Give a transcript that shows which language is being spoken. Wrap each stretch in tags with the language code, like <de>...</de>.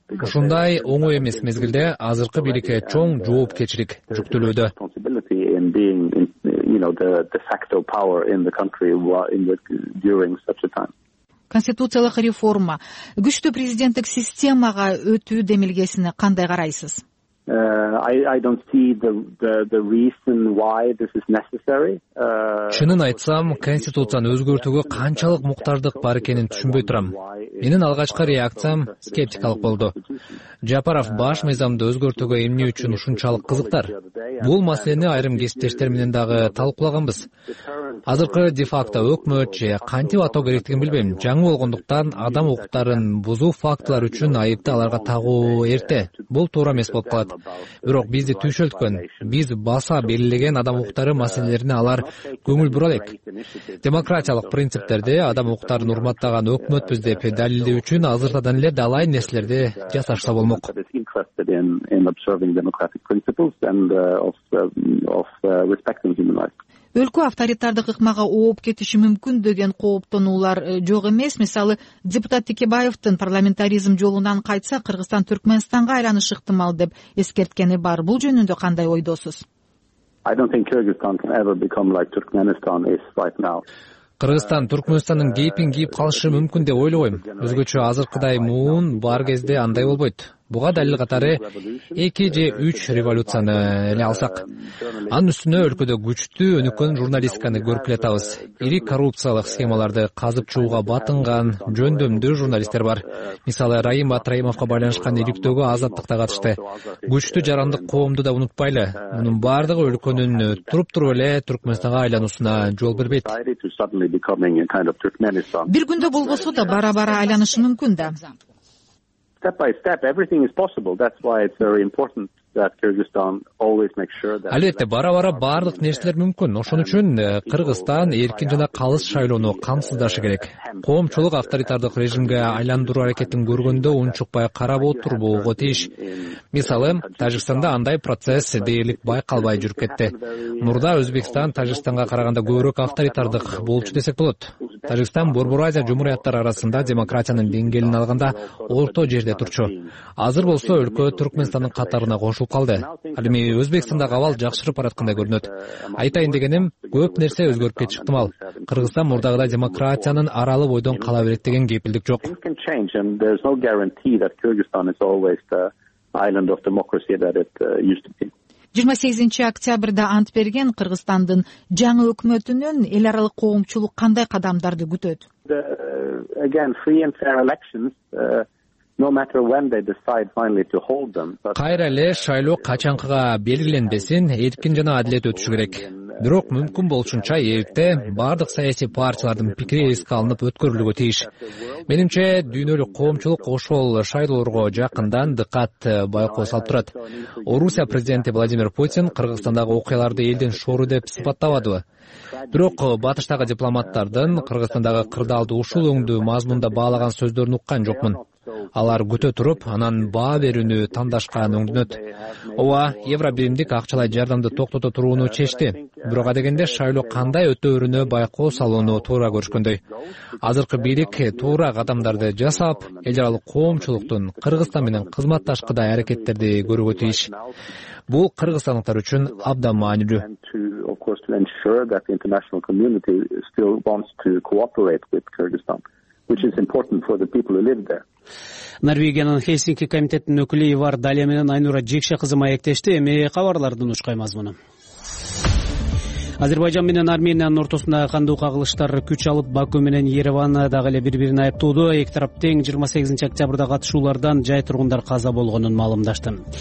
<ky>Ушундай оңой эмес мезгилде азыркы бийликке чоң жоопкерчилик жүктөлүүдө. Конституциялык реформа, күчтүү президенттик системага өтүү демилгесине кандай карайсыз?</ky> <en>I don't see the reason why this is necessary.</en> <ky>Чынын айтсам, конституцияны өзгөртүүгө канчалык муктаждык бар экенин түшүнбөй турам. Менин алгачкы реакциям скептикалык болду. Жапаров баш мыйзамды өзгөртүүгө эмне үчүн ушунчалык кызыктар? Бул маселени айрым кесиптештер менен дагы талкуулаганбыз. Азыркы де-факто өкмөт же кантип атоо керектигин билбейм. Жаңы болгондуктан адам укуктарын бузуу фактылары үчүн айыпты аларга тагуу эрте. Бул туура эмес болуп калат. Бирок бизди түшөлткөн, биз баса белгилеген адам укуктары маселелерине алар көңүл бура элек. Демократиялык принциптерде адам укуктарын урматтаган өкмөтпүз деп далилдөө үчүн азыртадан эле далай нерселерди жасашса болмок. Өлкө авторитардык ыкмага ооп кетиши мүмкүн деген кооптонуулар жок эмес. Мисалы, депутат Текебаевдин парламентаризм жолунан кайтса, Кыргызстан Түркмөнстанга айланыш ыктымал деп эскерткени бар. Бул жөнүндө кандай ойдосуз?</ky> <en>I don't think Kyrgyzstan can ever become like Turkmenistan is right now.</en> <ky>Кыргызстан Түркмөнстандын кейпин кийип калышы мүмкүн деп ойлобойм. Өзгөчө азыркыдай муун бар кезде андай болбойт. Буга далил катары 2 же 3 революцияны эле алсак. Анын үстүнө өлкөдө күчтүү өнүккөн журналистиканы көрүп келе атабыз. Ири коррупциялык схемаларды казып чыгууга батынган жөндөмдүү журналисттер бар. Мисалы, Раим Батраимовго байланышкан иликтөөгө Азаттык да катышты. Күчтүү жарандык коомду да унутпайлы. Мунун баардыгы өлкөнүн туруп-туруп эле Түркмөнстанга айланышына жол бербейт. Бир күндө болбосо да бара-бара айланышы мүмкүн да.</ky> <en>Step by step, everything is possible. That's why it's very important that Kyrgyzstan always makes sure that...</en> <ky>Албетте, бара-бара баардык нерселер мүмкүн. Ошон үчүн Кыргызстан эркин жана калыс шайлоону камсыздашы керек. Коомчулук авторитардык режимге айландыруу аракетин көргөндө унчукпай карап отурбоого тийиш. Мисалы, Тажикстанда андай процесс дээрлик байкалбай жүрүп кетти. Мурда Өзбекстан Тажикстанга караганда көбүрөөк авторитардык болчу десек болот. Тажикстан Борбор Азия жумуриятлары арасында демократиянын деңгээлин алганда орто жерде турчу. Азыр болсо өлкө Түркмөнстандын катарына кошулуп калды. Ал эми Өзбекстандагы абал жакшырып бараткандай көрүнөт. Айтайын дегеним, көп нерсе өзгөрүп кетиши ыктымал. Кыргызстан мурдагыдай демократиянын аралы бойдон кала берет деген кепилдик жок.</ky> <en>Island of democracy that it used to be.</en> <ky>28 октябрда ант берген Кыргызстандын жаңы өкмөтүнөн эл аралык коомчулук кандай кадамдарды күтөт?</ky> <en>Again, free and fair elections no matter when they decide finally to hold them.</en> <ky>Кайра эле шайлоо качанкыга белгиленбесин, эркин жана адилет өтүшү керек. Бирок мүмкүн болушунча эрте баардык саясий партиялардын пикири эске алынып өткөрүлүүгө тийиш. Менимче, дүйнөлүк коомчулук ошол шайлоолорго жакындан дыкат байкоо салып турат. Орусия президенти Владимир Путин Кыргызстандагы окуяларды элдин шоору деп сыпаттабадыбы? Бирок батыштагы дипломаттардын Кыргызстандагы кырдаалды ушул өңдүү мазмунда баалаган сөздөрүн уккан жокмун. Алар күтө туруп, анан баа берүүнү тандашкан өңдүнөт. Ооба, Евробиримдик акчалай жардамды токтото турууну чечти. Бирок адегенде шайлоо кандай өтөөрүнө байкоо салууну туура көрүшкөндөй. Азыркы бийлик туура кадамдарды жасап, эл аралык коомчулуктун Кыргызстан менен кызматташкыдай аракеттерди көрүүгө тийиш. Бул кыргызстандыктар үчүн абдан маанилүү.</ky> <en>Which is important for the people who live there.</en> <ky>Норвегиянын Хельсинки комитетинин өкүлү Ивар Далия менен Айнура Жикше кызы маектешти. Эми кабарлардын ушкай мазмуну. Азербайжан менен Армениянын ортосундагы кандуу кагылыштар күч алып, Баку менен Ереван дагы эле бири-бирин айыптоодо, эки тарап тең 28 октябрда катышуулардан жай тургундар каза болгонун маалымдашты.</ky>